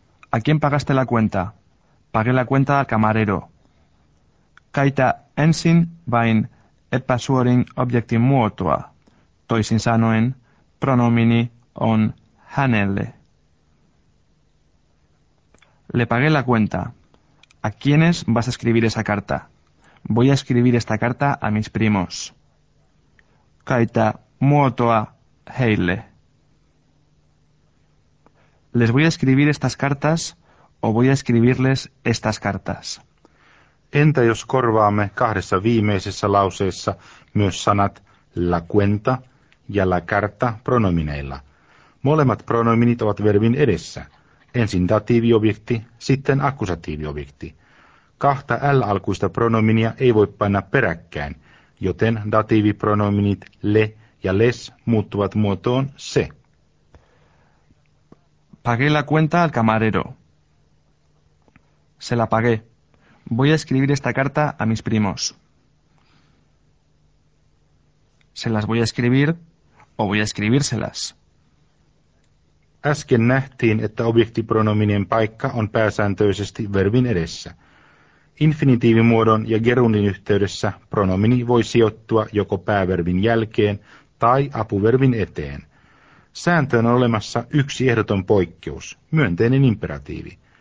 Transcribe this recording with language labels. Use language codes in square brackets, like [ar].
[es] ¿A quién pagaste la cuenta? Pagué la cuenta al camarero. [fi] Kaita ensin vain epäsuorin objektin muotoa. Toisin sanoen, pronomini on hänelle. [es] Le pagué la cuenta. ¿A quiénes vas a escribir esa carta? Voy a escribir esta carta a mis primos. [fi] Kaita muotoa heille. [es] Les voy a escribir estas cartas o voy a escribirles estas cartas. [fi] Entä jos korvaamme kahdessa viimeisessä lauseessa myös sanat la cuenta ja la carta pronomineilla? Molemmat pronominit ovat verbin edessä. Ensin datiiviobjekti, sitten akkusatiiviobjekti. Kahta L-alkuista pronominia ei voi painaa peräkkäin, joten datiivipronominit le ja les muuttuvat muotoon se. [es] Pagué la cuenta al camarero. Se la pagué. Voy a escribir esta carta a mis primos. Se las voy a escribir o voy a escribírselas. [fi] Äsken nähtiin, että objektipronominien paikka on pääsääntöisesti verbin edessä. Infinitiivimuodon ja gerundin yhteydessä pronomini voi sijoittua joko pääverbin jälkeen tai apuverbin eteen. Sääntöön on olemassa yksi ehdoton poikkeus, myönteinen imperatiivi.